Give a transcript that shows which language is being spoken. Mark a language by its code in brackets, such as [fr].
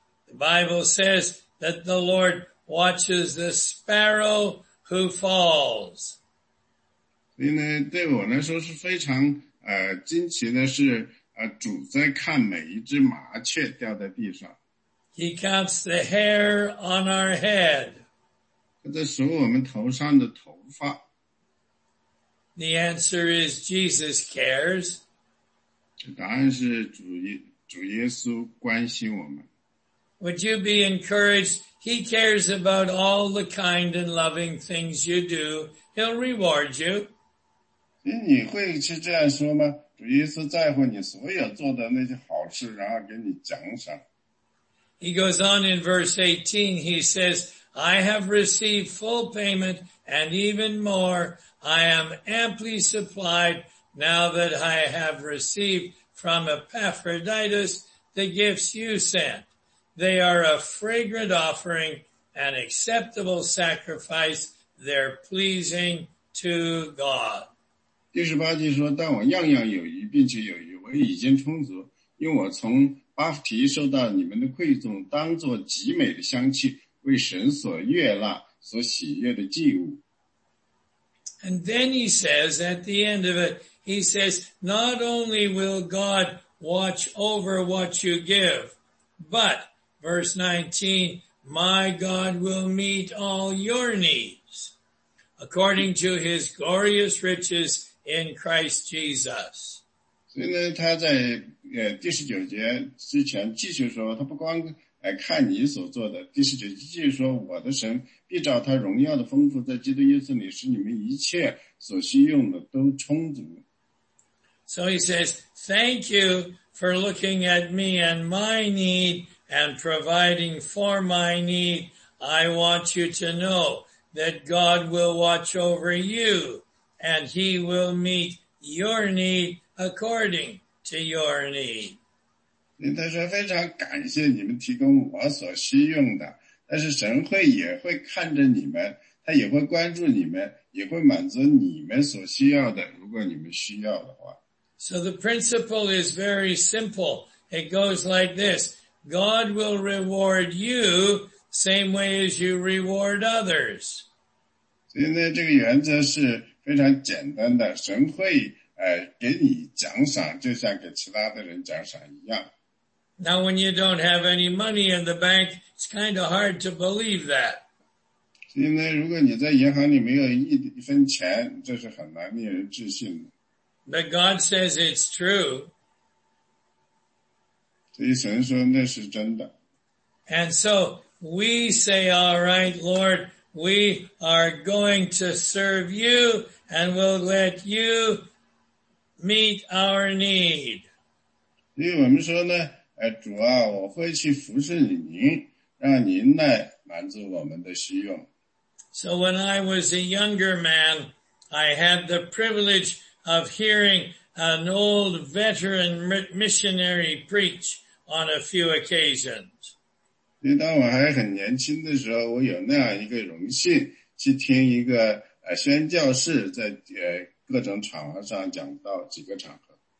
[en] The Bible says that the Lord watches the sparrow who falls. [zh] 所以呢，对我来说是非常惊奇的是，主在看每一只麻雀掉在地上。 [en] He counts the hair on our head. [zh] 他在数我们头上的头发。 [en] The answer is Jesus cares. [zh] 答案是主耶稣关心我们。 [en] Would you be encouraged? He cares about all the kind and loving things you do. He'll reward you. [zh] 你会是这样说吗？主耶稣在乎你所有做的那些好事，然后给你奖赏。 [en] He goes on in verse 18, he says, I have received full payment and even more. I am amply supplied now that I have received from Epaphroditus the gifts you sent. They are a fragrant offering, an acceptable sacrifice. They're pleasing to God. [zh] 第十八节说，但我样样有余，并且有余，我已经充足，因为我从巴弗提受到你们的馈赠，当作极美的香气，为神所悦纳，所喜悦的祭物。 [en] And then he says, at the end of it, he says, not only will God watch over what you give, but Verse 19, my God will meet all your needs according to his glorious riches in Christ Jesus. [zh] 所以呢他在第十九节之前继续说他不光看你所做的第十九节继续说我的神必照他荣耀的丰富在基督耶稣里使你们一切所需用的都充足。 [en] So he says, thank you for looking at me and my need And providing for my need, I want you to know that God will watch over you and he will meet your need according to your need. [zh] 他说非常感谢你们提供我所需用的但是神会也会看着你们他也会关注你们也会满足你们所需要的如果你们需要的话。 [en] So the principle is very simple. It goes like this. God will reward you same way as you reward others. [zh] 所以呢这个原则是非常简单的神会给你奖赏就像给其他的人奖赏一样。 [en] Now when you don't have any money in the bank, it's kind of hard to believe that. [zh] 所以呢如果你在银行里没有一分钱这是很难令人置信的。 [en] But God says it's true. [zh] 所以神说那是真的。 [en] And so, we say, all right, Lord, we are going to serve you and we'll let you meet our need. [zh] 所以我们说呢主啊我会去服侍您让您来满足我们的需用。 [en] So when I was a younger man, I had the privilege of hearing an old veteran missionary preach. On a few occasions. [zh] 因为当我还很年轻的时候我有那样一个荣幸去听一个宣教士在各种场合上讲到几个场合。